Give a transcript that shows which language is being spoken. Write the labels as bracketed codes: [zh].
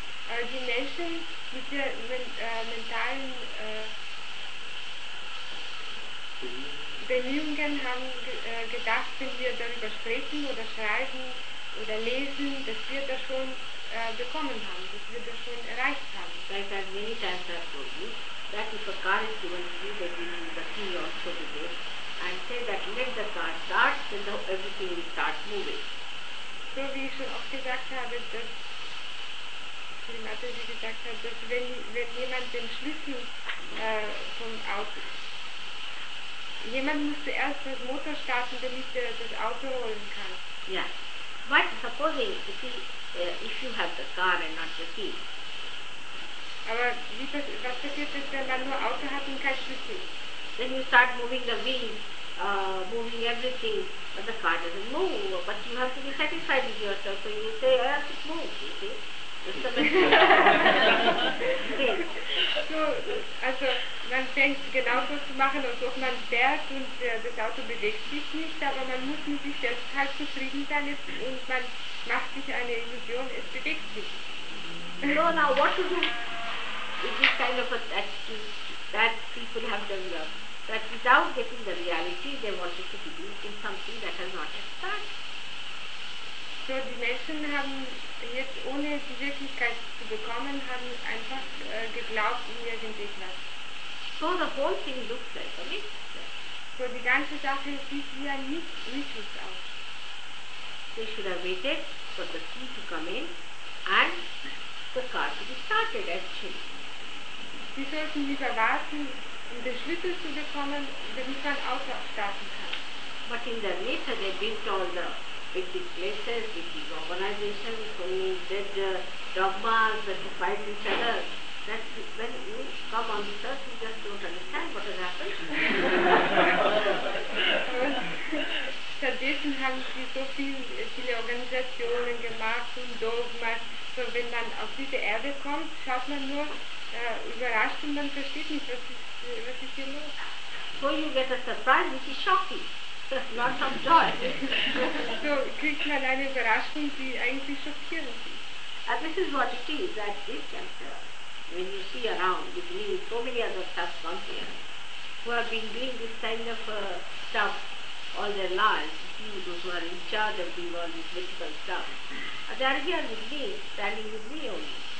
[en] As you mentioned, with the [de] mentalen Bemühungen haben gedacht, wenn wir darüber sprechen oder schreiben oder lesen, dass wir das schon bekommen haben, dass wir das schon erreicht haben. [en] Like I many times I told you, that if a car is given to you, that you need the key also to do, I say that let the car start, then everything will start moving. [de] So wie ich schon oft gesagt habe, dass Shri Mataji gesagt hat, dass wenn jemand den Schlüssel vom Auto, jemand müsste erst das Motor starten, damit er das Auto holen kann. Ja. Yeah. [en] But supposing, you see, if you have the car and not the key. [de] Aber was passiert, wenn man nur Auto hat und kein Schlüssel? [en] Then you start moving the wheels, moving everything, but the car doesn't move. But you have to be satisfied with yourself, so you say, yes, it moves, you see. [de] So, also man fängt genauso zu machen, als ob man fährt und das Auto bewegt sich nicht, aber man muss mit sich selbst halt zufrieden sein und man macht sich eine Illusion, es bewegt sich. [en] So, now what to do with this kind of an attitude that people have developed, that without getting the reality, they wanted to believe in something that has not yet started. [de] So die Menschen haben jetzt, ohne die Wirklichkeit zu bekommen, haben einfach geglaubt in irgendetwas. [en] So the whole thing looks like a mix. [de] So die ganze Sache sieht wie ein Mythos aus. [en] They should have waited for the key to come in and the car to be started actually. [de] Sie sollten lieber warten, um den Schlüssel zu bekommen, damit man Auto starten kann. [en] But [de] in der Mitte, [en] they built all the with these places, with these organizations, so that the dogmas that fight each other, that when you come on the earth, you just don't understand what has happened. [de] Stattdessen haben sie so viele Organisationen gemacht und Dogmas, so wenn man auf diese Erde kommt, schaut man nur überrascht und man versteht nicht, was ist hier los. [en] So you get a surprise, which is shocking. Not some joy. [de] So kriegt man eine Überraschung, die eigentlich schockierend ist. [en] And this is what it is, that this center, when you see around, you believe so many others have come here, who have been doing this kind of stuff all their lives, you, those who are in charge of doing all this mythical stuff, they are here with me, standing with me only.